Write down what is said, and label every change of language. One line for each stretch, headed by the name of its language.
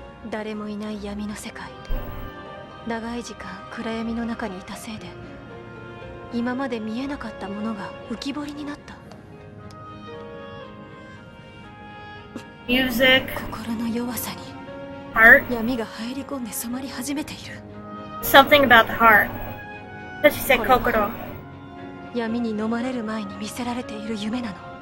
Japanese: 誰もいない闇の世界。長い時間暗闇の中にいたせいで今まで見えなかったものが浮き彫りになった。ミュージック。心の弱さに闇が入り込んで染まり始めている。
English: Something about the heart. That she said, 心。
Japanese: 闇に飲まれる前に見せられている夢なの。